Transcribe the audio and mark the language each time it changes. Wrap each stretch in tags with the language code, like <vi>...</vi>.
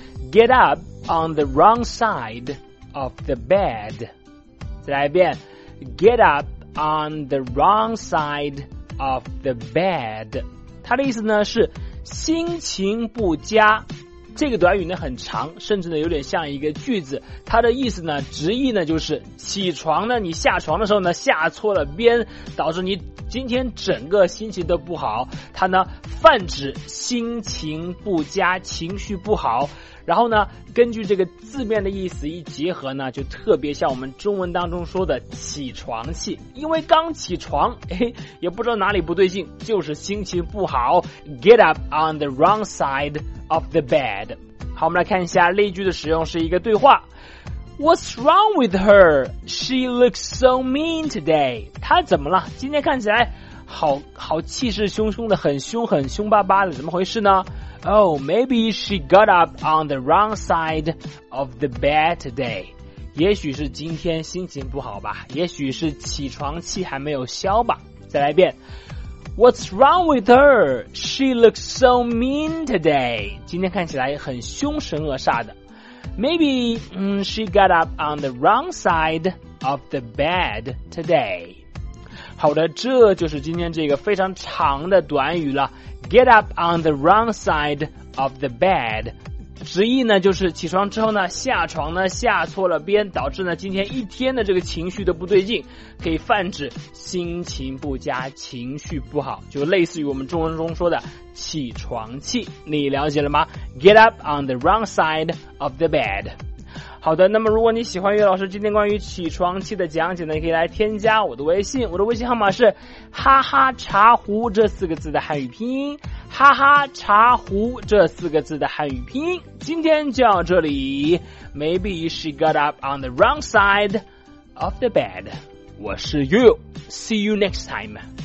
<en>Get up on the wrong side of the bed.</en> <zh>再来一遍</zh> <en>Get up on the wrong side of the bed.</en> <zh>它的意思呢是心情不佳。这个短语呢很长，甚至呢有点像一个句子。它的意思呢直译呢就是起床呢你下床的时候呢下错了边，导致你今天整个心情都不好。它呢泛指心情不佳，情绪不好。然后呢根据这个字面的意思一结合呢，就特别像我们中文当中说的起床气。因为刚起床，哎，也不知道哪里不对劲，就是心情不好，</zh> <en>Get up on the wrong side of the bed。</en> <zh>好，我们来看一下例句的使用，是一个对话。</zh> <en>What's wrong with her? She looks so mean today.</en> <zh>她怎么了？今天看起来好气势汹汹的，很凶，很凶巴巴的，怎么回事呢？</zh> <en>Oh, maybe she got up on the wrong side of the bed today.</en> <zh>也许是今天心情不好吧，也许是起床气还没有消吧。再来一遍。</zh> <en>What's wrong with her? She looks so mean today.</en> <zh>今天看起来很凶神恶煞的。</zh> <en>Maybe, she got up on the wrong side of the bed today.</en> <zh>好的，这就是今天这个非常长的短语了。</zh> <en>Get up on the wrong side of the bed.</en> <zh>直译呢就是起床之后呢下床呢下错了边，导致呢今天一天的这个情绪都不对劲，可以泛指心情不佳，情绪不好，就类似于我们中文中说的起床气。你了解了吗？</zh> <en>Get up on the wrong side of the bed.</en> <zh>好的，那么如果你喜欢岳老师今天关于起床气的讲解呢，你可以来添加我的微信，我的微信号码是哈哈茶壶这四个字的汉语拼音，哈哈茶壶这四个字的汉语拼音。今天就到这里，</zh> <en>Maybe she got up on the wrong side of the bed.</en> <zh>我是岳，</zh> <en>See you next time.</en>